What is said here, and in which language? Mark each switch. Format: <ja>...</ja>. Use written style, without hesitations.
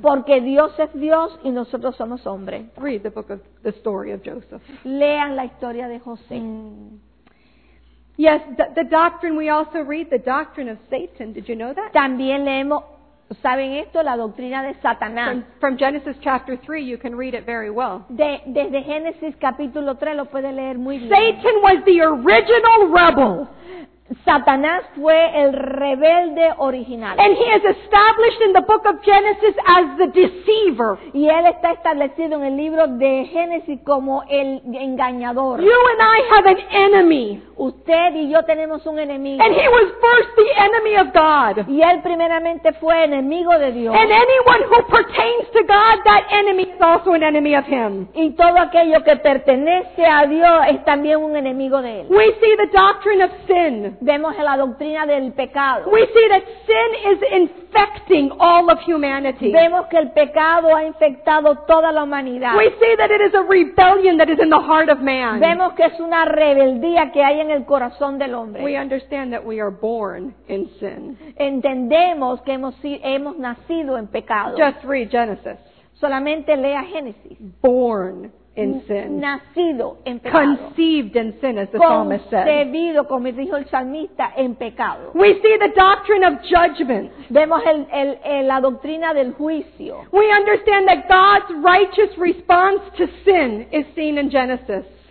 <es>Porque Dios es Dios y nosotros somos hombre.</es> <en>Read the book of the story of Joseph.</en> <es>Lean la historia de José. Mm.</es> <en>Yes, the doctrine we also read, the doctrine of Satan. Did you know that?</en> <es>También leemos, ¿saben esto? La doctrina de Satanás.</es> <en>From Genesis chapter 3, you can read it very well.</en> <es>Desde Génesis capítulo 3 lo puede leer muy bien.</es> <en>Satan was the original rebel.</en> <es>Satanás fue el rebelde original.</es> <en>And he is established in the book of Genesis as the deceiver.</en> <es>Y él está establecido en el libro de Génesis como el engañador.</es> <en>You and I have an enemy.</en> <es>Usted y yo tenemos un enemigo.</es> <en>And he was first the enemy of God.</en> <es>Y él primeramente fue enemigo de Dios.</es> <en>And anyone who pertains to God, that enemy is also an enemy of him.</en> <es>Y todo aquello que pertenece a Dios es también un enemigo de él.</es> <en>We see the doctrine of sin.</en> <es>Vemos la doctrina del pecado.</es> <en>We see that sin is infecting all of humanity.</en> <es>Vemos que el pecado ha infectado toda la humanidad.</es> <en>We see that it is a rebellion that is in the heart of man.</en> <es>Vemos que es una rebeldía que hay en el corazón del hombre.</es> <en>We understand that we are born in sin.</en> <es>Entendemos que hemos nacido en pecado.</es> <en>Just read Genesis.</en> <es>Solamente lea Génesis.</es> <en>Born in sin.</en> <es>Nacido en pecado.</es> <en>Conceived in sin, as the psalmist said.</en> <es>Concebido, como dijo el salmista, en pecado.</es> <en>We see the doctrine of judgment.</en> <es>Vemos la doctrina del juicio.</es> <en>We understand that God's righteous response to sin is seen in Genesis.</en>